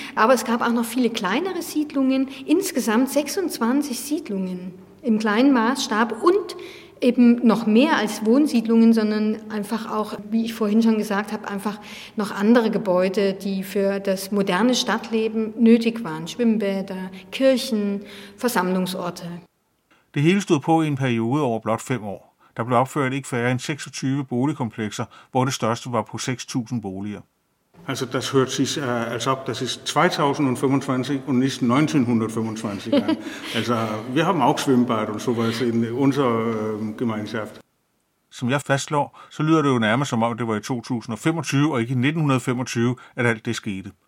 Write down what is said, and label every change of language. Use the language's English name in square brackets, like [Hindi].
[German] Aber es gab auch noch viele kleinere Siedlungen, insgesamt 26 Siedlungen im kleinen Maßstab und eben noch mehr als Wohnsiedlungen, sondern einfach auch, wie ich vorhin schon gesagt habe, einfach noch andere Gebäude, die für das moderne Stadtleben nötig waren. Schwimmbäder, Kirchen, Versammlungsorte. [Danish] Det hele stod på i en periode over blot 5 år. Der blev opført ikke færre end 26 boligkomplekser, hvor det største var på 6.000 boliger. [German] Also das hört sich als ob das ist 2025 und nicht 1925. Also wir haben auch Schwimmbad und sowas in unserer Gemeinschaft. [Danish] Som jeg fastslår, så lyder det jo nærmest som om, det var i 2025 og ikke i 1925, at alt det skete.